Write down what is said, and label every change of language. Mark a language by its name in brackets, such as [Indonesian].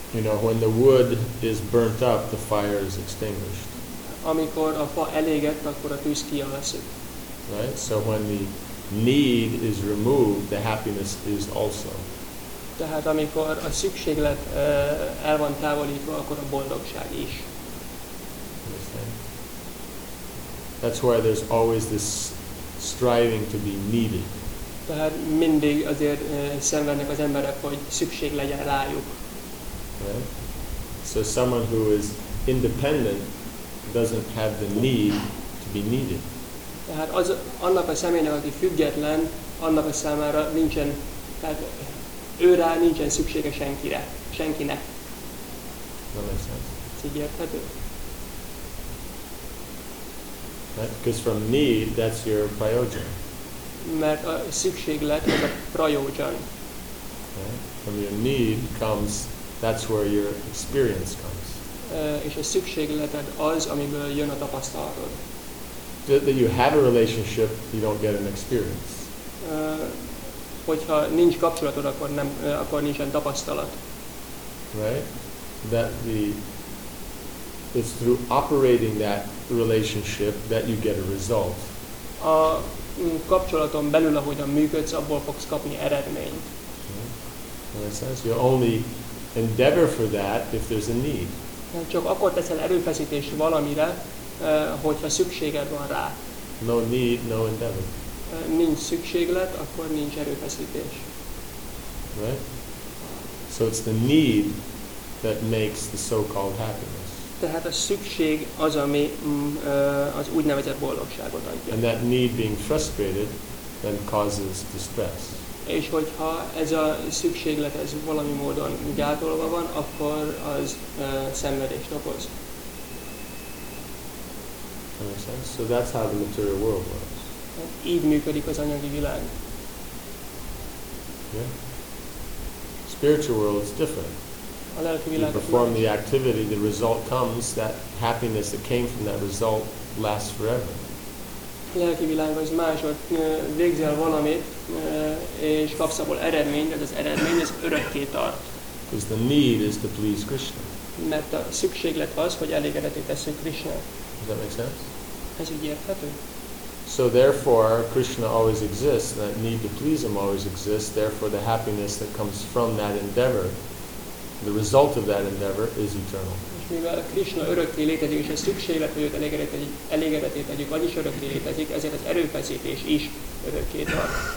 [English] You know, when the wood is burnt up, the fire is extinguished. [Hungarian] Amikor a fa elégett, akkor a tűz kialszik. [English] Right? So when the need is removed, the happiness is also. [Hungarian] Tehát amikor a szükséglet el van távolítva, akkor a boldogság is. [English] Understand? That's why there's always this striving to be needed. [Hungarian] Tehát mindig azért szenvednek az emberek, hogy szükség legyen rájuk. [English] Right? So someone who is independent doesn't have the need to be needed. [Hungarian] Tehát az annak a személynek, aki független, annak a számára nincsen, tehát őrá nincsen szüksége senkire, senkinek. [English] That makes sense. [Hungarian] Ez így érthető? [English] Right? Because from need, that's your prayojan. [Hungarian] Mert a szükséglet az a prayojan. [English] Right? From your need comes. That's where your experience comes. [Hungarian] És a szükségleted az, amiből jön a tapasztalatod. [English] That you have a relationship, you don't get an experience. [Hungarian] Hogyha nincs kapcsolatod, akkor nem, akkor nincsen tapasztalat. [English] Right? That the it's through operating that relationship that you get a result. [Hungarian] A kapcsolaton belül, ahogyan működsz, abból fogsz kapni eredményt. [English] Okay. That makes sense. You're only endeavor for that if there's a need. [Hungarian] Csak akkor teszel erőfeszítést valamire, hogyha szükséged van rá. [English] No need, no endeavor. [Hungarian] Nincs szükséglet, akkor nincs erőfeszítés. [English] Right? So it's the need that makes the so-called happiness. [Hungarian] Tehát a szükség az, ami az úgynevezett boldogságot adja. [English] And that need being frustrated then causes distress. [Hungarian] És hogyha ez a szükséglet ez valami módon gátolva van, akkor az szenvedést okoz. [English] So that's how the material world works. [Hungarian] Így működik az anyagi világ. [English] Yeah. Spiritual world is different. [Hungarian] A lelki világ [English] you perform the activity, the result comes, that happiness that came from that result lasts forever. [Hungarian] Lelki világ az más, hogy végzel valamit, és kapsz abból eredményt, ez az eredmény, ez örökké tart. [English] Because the need is to please Krishna. [Hungarian] Mert a szükséglet az, hogy elégedetté tesszük Krishna. [English] Does that make sense? [Hungarian] Ez így érthető. [English] So therefore, Krishna always exists, that need to please Him always exists, therefore the happiness that comes from that endeavor, the result of that endeavor is eternal. [Hungarian] Mivel Krishna örökké létezik, és a szükséglet, hogy őt elégedetté tegyük, vagyis örökké létezik, ezért az erőfeszítés is örökké tart.